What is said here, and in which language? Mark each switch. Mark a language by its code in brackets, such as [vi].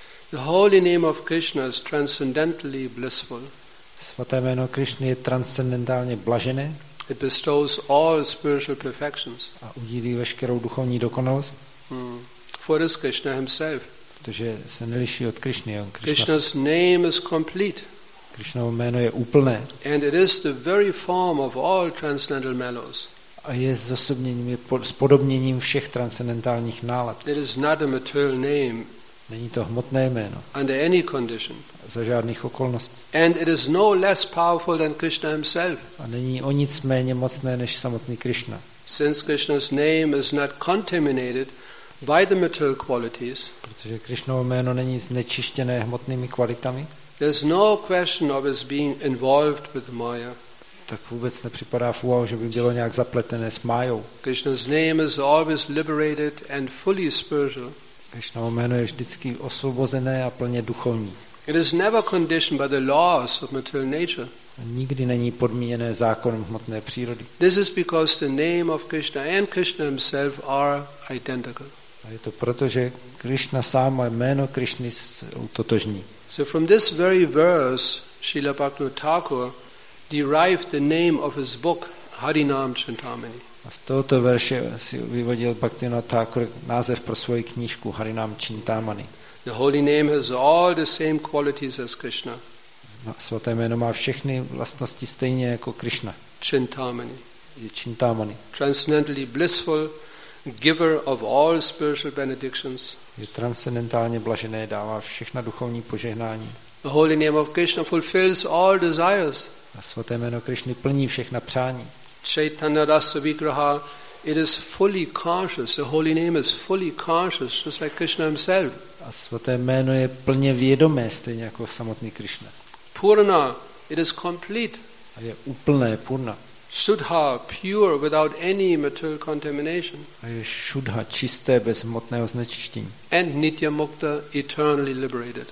[en] The holy name of Krishna is transcendentally blissful. [cs] Svaté jméno Krishna je transcendentálně blažené. [en] It bestows all spiritual perfections. [cs] A udílí veškerou duchovní dokonalost. [en] For it is Krishna himself. [cs] Protože se neliší od Krishny. [en] Krishna's name is complete. [cs] Krishnovo jméno je úplné. [en] And it is the very form of all transcendental mellows. [cs] A je zosobněním, je spodobněním všech transcendentálních nálad. [en] It is not a material name. [cs] Není to hmotné jméno. [en] Under any condition. [cs] Za žádných okolností. [en] And it is no less powerful than Krishna himself. [cs] A není o nic méně mocné než samotný Krishna. [en] Since Krishna's name is not contaminated by the material qualities. [cs] Protože Krishnovo jméno není znečištěné hmotnými kvalitami. [en] There is no question of his being involved with Maya. [cs] Tak vůbec nepřipadá v úvahu, že by bylo nějak zapletené s Mayou. [en] Krishna's name is always liberated and fully spiritual. [cs] Krishnovo jméno je vždycky osvobozené a plně duchovní. [en] It is never conditioned by the laws of material nature. [cs] Nikdy není podmíněné zákonem hmotné přírody. [en] This is because the name of Krishna and Krishna himself are identical. [cs] A je to proto, že Krishna sám a jméno Krishny jsou totožní. [en] So from this very verse, Srila Bhaktivinoda Thakura derived the name of his book, Harinam Chintamani. [cs] A z tohoto verše si vyvodil Bhaktivinoda Thakura název pro svoji knížku Harinam Chintamani. [en] The holy name has all the same qualities as Krishna. [cs] svaté jméno má všechny vlastnosti stejně jako Krishna. [en] Chintamani. [cs] Je Chintamani. [en] Transcendentally blissful, giver of all spiritual benedictions. [cs] Je transcendentálně blažené, dává všechna duchovní požehnání. [en] The holy name of Krishna fulfills all desires. [cs] A svaté jméno Krishny plní všechna přání. [en] Chaitanya rasa vigraha, it is fully conscious. The holy name is fully conscious, just like Krishna himself. [cs] A svaté jméno je plně vědomé, stejně jako samotný Krishna. [en] Purna, it is complete. [cs] A je úplné, purna. [en] Shuddha, pure, without any material contamination. [cs] A je shuddha, čisté, bez hmotného znečištění. [en] And nitya mukta, eternally liberated.